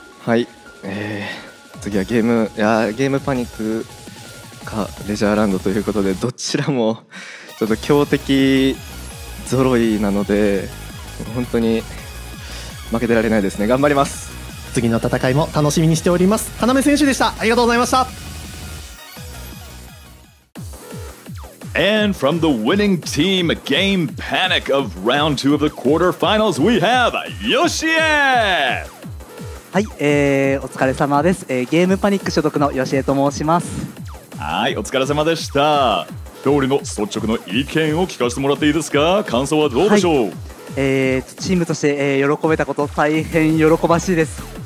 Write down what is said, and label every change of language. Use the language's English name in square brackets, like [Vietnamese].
[Japanese] はい、次はゲームパニックかレジャーランドということで、どちらもちょっと強敵ぞろいなので本当に負けてられないですね。頑張ります。次の戦いも楽しみにしております。金目選手でした。ありがとうございました。 [English] And from the winning team game panic of round 2 of the quarterfinals we have Yoshie。 [Japanese] はい、お疲れ様です、ゲームパニック所属の吉江と申します。はい、お疲れ様でした。通りの率直な意見を聞かせてもらっていいですか？感想はどうでしょう？はい、チームとして、喜べたこと大変喜ばしいです。